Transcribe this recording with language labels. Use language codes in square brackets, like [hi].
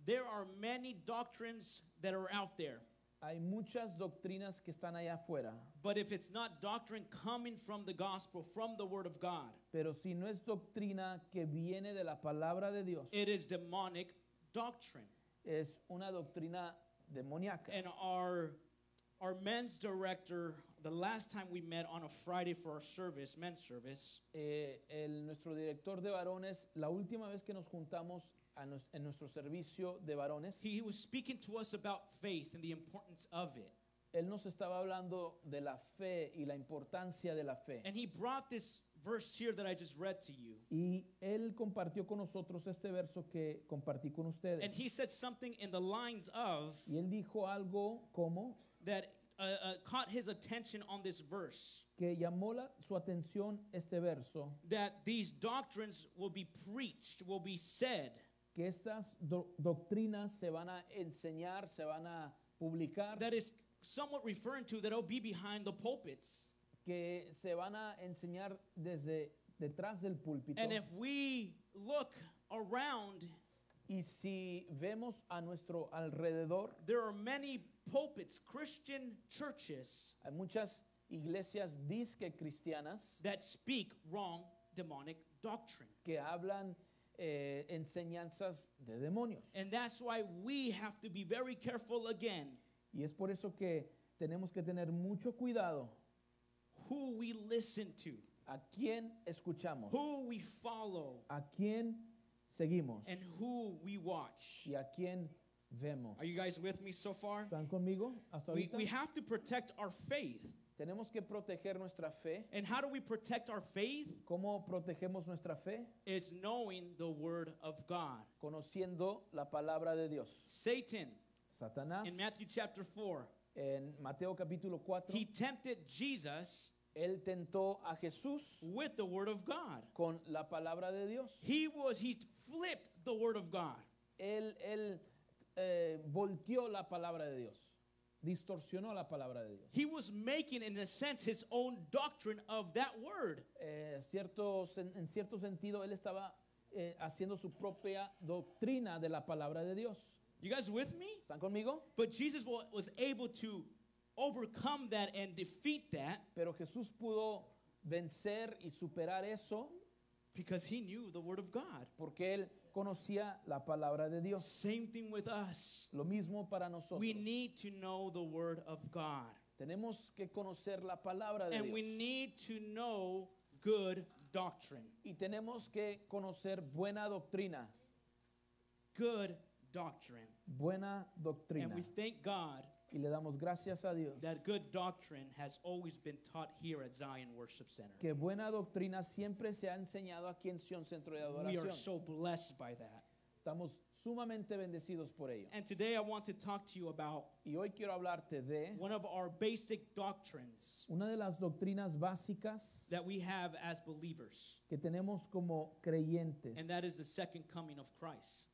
[en] There are many doctrines that are out there. [es] Hay muchas doctrinas que están allá afuera. [en] But if it's not doctrine coming from the gospel, from the word of God. [es] Pero si no es doctrina que viene de la palabra de Dios. [en] It is demonic doctrine. [es] Es una doctrina demoníaca. [en] And our men's director, the last time we met on a Friday for our service, men's service. [es] Nuestro director de varones, la última vez que nos juntamos en nuestro servicio de varones. [en] He was speaking to us about faith and the importance of it. [es] Él nos estaba hablando de la fe y la importancia de la fe. [en] And he brought this verse here that I just read to you. [es] Y él compartió con nosotros este verso que compartí con ustedes. [en] And he said something in the lines of. [es] Y él dijo algo como. [en] That caught his attention on this verse. [es] Que llamó su atención este verso. [en] That these doctrines will be preached, will be said. [es] Que estas doctrinas se van a enseñar, se van a publicar. [en] That is somewhat referring to that will be behind the pulpits. [es] Que se van a enseñar desde detrás del púlpito. [en] And if we look around. [es] Y si vemos a nuestro alrededor. [en] There are many pulpits, Christian churches. [es] Hay muchas iglesias disque cristianas. [en] That speak wrong demonic doctrine. [es] Que hablan enseñanzas de demonios. [en] And that's why we have to be very careful again. [es] Y es por eso que tenemos que tener mucho cuidado. [en] Who we listen to. [es] A quién escuchamos. [en] Who we follow. [es] A quién seguimos. [en] And who we watch. [es] Y a quién vemos. [en] Are you guys with me so far? [es] ¿Están conmigo hasta ahorita? [en] We have to protect our faith. [es] Tenemos que proteger nuestra fe. [en] And how do we protect our faith? [es] ¿Cómo protegemos nuestra fe? [en] Is knowing the word of God. [es] Conociendo la palabra de Dios. [en] Satan. [es] Satanás. [en] In Matthew chapter 4. [es] En Mateo capítulo 4. [en] He tempted Jesus. [es] Él tentó a Jesús. [en] With the word of God. [es] Con la palabra de Dios. [en] He flipped the word of God. [es] Él volteó la palabra de Dios. Distorsionó la palabra de Dios. [en] He was making, in a sense, his own doctrine of that word. [es] En cierto sentido, él estaba haciendo su propia doctrina de la palabra de Dios. [en] You guys with me? [es] ¿Están conmigo? [en] But Jesus was able to overcome that and defeat that. [es] Pero Jesús pudo vencer y superar eso. [en] Because he knew the word of God. [es] Porque él conocía la palabra de Dios. [en] Same thing with us. [es] Lo mismo para nosotros. [en] We need to know the word of God. [es] Tenemos que conocer la palabra de Dios. [en] And we need to know good doctrine. [es] Y tenemos que conocer buena doctrina. [en] Good doctrine. [es] Buena doctrina. [en] And we thank God. [es] Y le damos gracias a Dios. [en] That good doctrine has always been taught here at Zion Worship Center. [es] Que buena doctrina siempre se ha enseñado aquí en Sion Centro de Adoración. [en] We are so blessed by that. [es] Estamos sumamente bendecidos por ello. [en] And today I want to talk to you about one of our basic doctrines, [es] una de las doctrinas básicas [en] that we have as believers, [es] que tenemos como creyentes, [en] and that is the second coming of Christ.